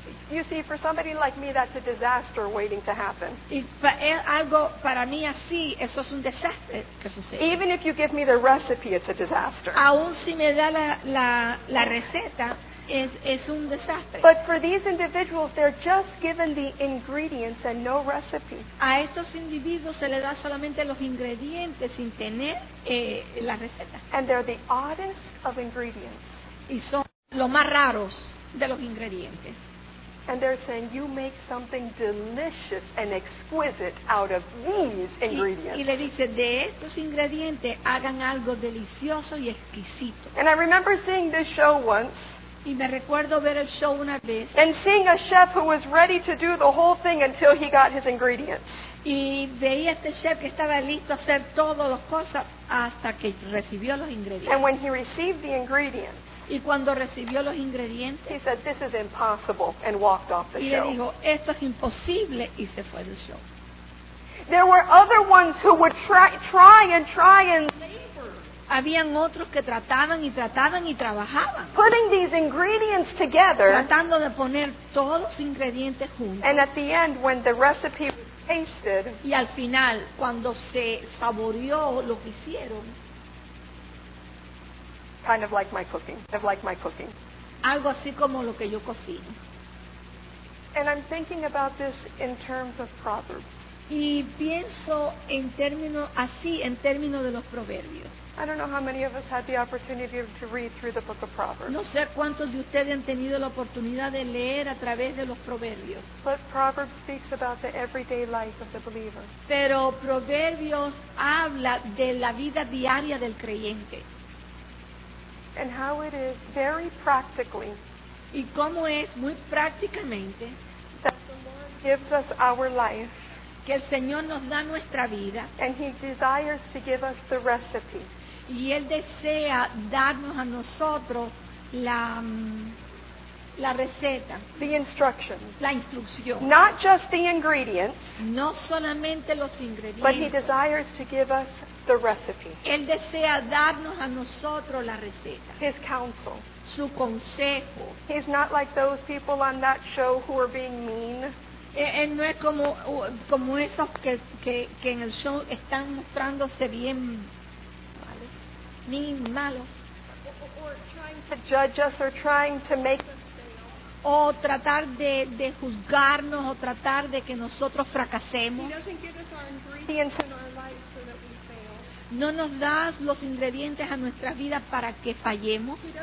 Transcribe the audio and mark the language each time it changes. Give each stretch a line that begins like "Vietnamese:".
English: You see, for somebody like me, that's a disaster waiting to happen.
Spanish: Y algo para mí así, eso es un desastre que sucede.
English: Even if you give me the recipe, it's a disaster.
Spanish: Aún si me da la receta, es un desastre.
English: But for these individuals, they're just given the ingredients and no recipe.
Spanish: A estos individuos se les da solamente los ingredientes sin tener la receta.
English: And they're the oddest of ingredients.
Spanish: Y son los más raros de los ingredientes.
English: And they're saying, you make something delicious and exquisite out of these ingredients.
Spanish: Y le dice, de estos ingredientes, hagan algo delicioso y exquisito.
English: And I remember seeing this show once.
Spanish: Y me recuerdo ver el show una vez.
English: And seeing a chef who was ready to do the whole thing until he got his ingredients.
Spanish: Y veía este chef que estaba listo a hacer todas las cosas hasta que recibió los ingredientes.
English: And when he received the ingredients,
Spanish: y cuando recibió los ingredientes,
English: he said, this is impossible, and walked off the
Spanish: show. Y él dijo, esto es imposible, y se fue del show.
English: There were other ones who would try and labor.
Spanish: Habían otros que trataban y trataban y trabajaban.
English: Putting these ingredients together.
Spanish: Tratando de poner todos los ingredientes juntos.
English: And at the end, when the recipe was tasted.
Spanish: Y al final, cuando se saboreó lo que hicieron.
English: Kind of like my cooking.
Spanish: Algo así como lo que yo cocino.
English: And I'm thinking about this in terms of proverbs.
Spanish: Y pienso en términos así, en términos de los proverbios.
English: I don't know how many of us had the opportunity to read through the book of Proverbs.
Spanish: No sé cuántos de ustedes han tenido la oportunidad de leer a través de los proverbios.
English: But Proverbs speaks about the everyday life of the believer.
Spanish: Pero proverbios habla de la vida diaria del creyente.
English: And how it is very practically.
Spanish: Y cómo es muy prácticamente.
English: That the Lord gives us our life.
Spanish: Que el Señor nos da nuestra vida.
English: And He desires to give us the recipe.
Spanish: Y Él desea darnos a nosotros la receta.
English: The instructions.
Spanish: La instrucción.
English: Not just the ingredients.
Spanish: No solamente los ingredientes.
English: But He desires to give us the recipe.
Spanish: Él desea darnos a nosotros la receta.
English: His counsel.
Spanish: Su consejo.
English: He's not like those people on that show who are being mean.
Spanish: Él no es como esos que en el show están mostrándose bien mean, malos.
English: Or trying to judge us or trying to make us fail.
Spanish: O tratar de juzgarnos o tratar de que nosotros fracasemos.
English: He doesn't give us our ingredients in our life.
Spanish: No nos das los ingredientes a nuestra vida para que fallemos.